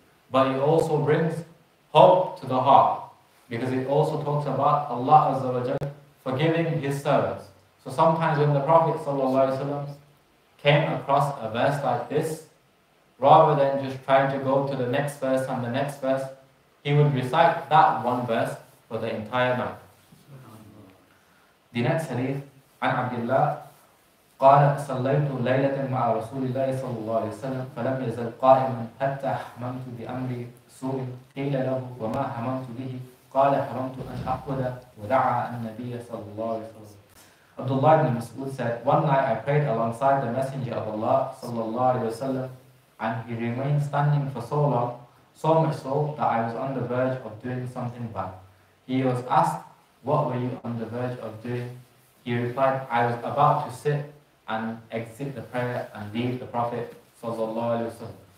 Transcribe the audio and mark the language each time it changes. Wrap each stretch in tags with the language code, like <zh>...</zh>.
<en>But it also brings hope to the heart. Because it also talks about Allah Azza wa Jal forgiving His servants. So sometimes when the Prophet ﷺ came across a verse like this, rather than just trying to go to the next verse and the next verse, he would recite that one verse for the entire night. The next hadith, an Abdullah,</en> <ar>قال صليت ليلة مع رسول الله صلى الله عليه وسلم فلم يزل قائما حتى حممت بأمر سوء قيل له وما حممت به قال حممت أن أقود ودعا النبي صلى الله عليه وسلم.</ar> <en>Abdullah ibn Mas'ud said, one night I prayed alongside the Messenger of Allah</en> <ar>صلى الله عليه وسلم</ar> <en>and he remained standing for so long, so much so that I was on the verge of doing something bad. He was asked, what were you on the verge of doing? He replied, I was about to sit and exit the prayer and leave the Prophet sallallahu alayhi wa sallam.</en>